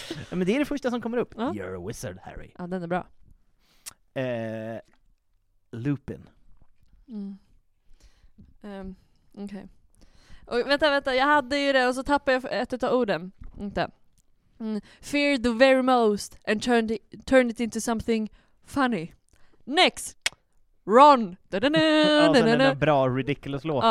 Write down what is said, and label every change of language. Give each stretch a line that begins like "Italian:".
Swedish: Men det är det första som kommer upp.
English: Ja. You're a wizard, Harry.
Swedish: Ja, den är bra. Lupin. Mm. Okej. Okay. Vänta. Jag hade ju det och så tappade jag ett av orden. Inte.
English: Fear the very most and turn it into something funny. Next. Ron.
Swedish: Ja, sen är den bra ridiculous låten.